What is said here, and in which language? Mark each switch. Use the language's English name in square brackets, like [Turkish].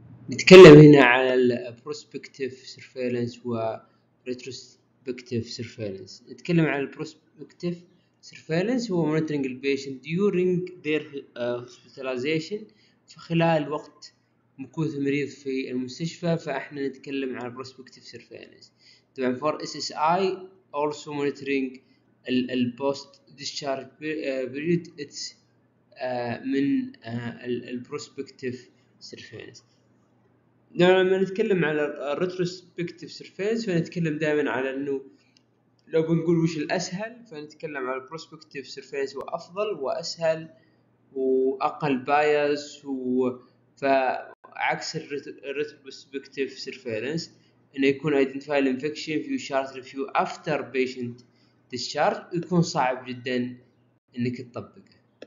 [Arabic] نتكلم هنا على [English] البروسبكتيف سيرفيلنس والريتروسبكتيف سيرفيلنس. [Arabic] نتكلم على البروسبكتيف surveillance هو [English] monitoring the patient during their hospitalization، [Arabic] فخلال وقت مكوث المريض في المستشفى. فاحنا نتكلم عن [English] prospective surveillance. [Arabic] طبعا [English] for SSI also monitoring the post discharge period it's من prospective surveillance. [Arabic] لما نتكلم على [English] retrospective surveillance [Arabic] فنتكلم دائما على انه لو بنقول وش الأسهل، فنتكلم على البروسبكتيف سيرفيلنس هو أفضل وأسهل وأقل بايس، فعكس الريتروسبكتيف سيرفيلنس إنه يكون [English] identify الانفكشن في chart review after patient discharge, [Arabic] يكون صعب جدا إنك تطبقه.